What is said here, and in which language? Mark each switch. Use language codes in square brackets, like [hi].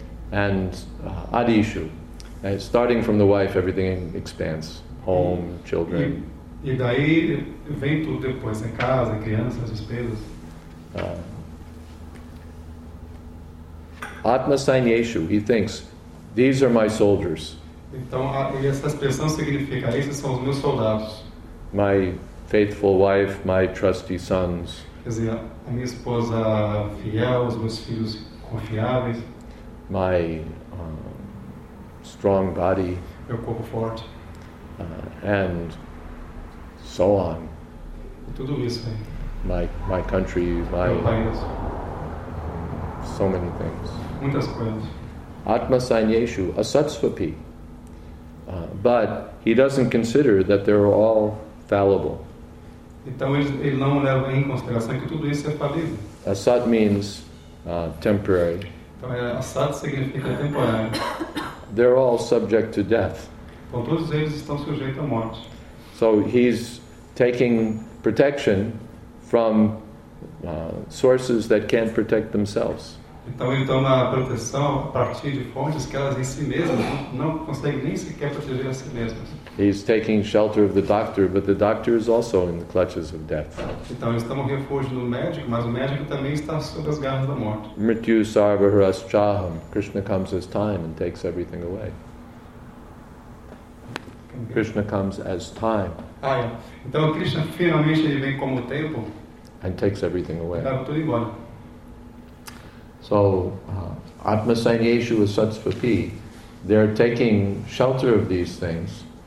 [en] And adishu, starting from the wife, everything expands: home, children. [pt] E daí vem tudo depois, em casa, crianças, despesas. [en] Atma Sainyeshu, he thinks, these are my soldiers. [pt] Então, essa expressão significa, esses são os meus soldados. [en] My faithful wife, my trusty sons. [pt] Quer dizer, a minha esposa fiel, os meus filhos confiáveis. [en] My strong body. [pt] Meu corpo forte. [en] And so on. [pt] Tudo isso, hein? [en] My country, my [pt] país. [en] So many things. [pt] Muitas coisas. [sa] Atma Sainyeshu, Asatsvapi. [en] But he doesn't consider that they're all fallible. [pt] Então ele não leva em consideração que tudo isso é falível. [en] Asat means temporary. [pt] Então Asat significa temporário. [en] They're all subject to death. [pt] Bom, todos eles estão sujeitos à morte. [en] So he's taking protection from sources that can't protect themselves. [pt] Então ele toma proteção a partir de fontes que elas em si mesmas não conseguem nem sequer proteger a si mesmas. [en] He's taking shelter of the doctor, but the doctor is also in the clutches of death. [pt] Então eles tomam refúgio no médico, mas o médico também está sob as garras da morte. [sa] Mrityu sarvaharas chaham. [en] Krishna comes as time and takes everything away. Krishna comes as time. [pt] Ah, então Krishna finalmente ele vem como o tempo. [en] And takes everything away. [pt] Dá tudo embora. [en] So, Atma Sainyeshu Asatsvapi, they're taking shelter of these things.